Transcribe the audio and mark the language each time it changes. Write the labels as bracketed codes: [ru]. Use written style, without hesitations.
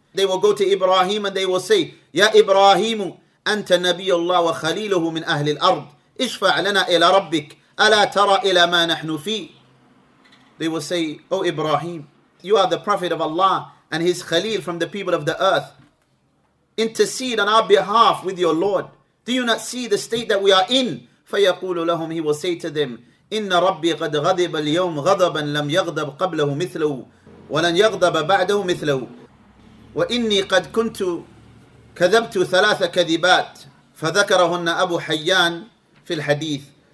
[en] They will go to Ibrahim and they will say, [ar] يَا إِبْرَاهِيمُ أَنْتَ نَبِيُّ اللَّهِ وَخَلِيلُهُ مِنْ أَهْلِ الْأَرْضِ اشْفَعْ لَنَا إِلَى رَبِّكَ أَلَا تَرَى إِلَى مَا نَحْنُ فِيهِ. [en] They will say, oh Ibrahim, you are the prophet of Allah and his Khalil from the people of the earth. Intercede on our behalf with your Lord. Do you not see the state that we are in? [ar] فَيَقُولُ لَهُمْ, [en] he will say to them, [ar] إِنَّ رَبِّي قَدْ غَضِبَ الْيَوْمْ غَضَبًا لَمْ يَغْضَبْ قَبْلَهُ مِثْلَهُ وَلَنْ يَغْضَبَ بَعْدَهُ مِثْلَهُ وَإِنِّي قَدْ كُنْتُ كَذَبْتُ ثَلَاثَ كَذِبَاتٍ فَذَكَرَهُنَّ أَبُو حَيَّانٍ فِي الْحَدِيثِ.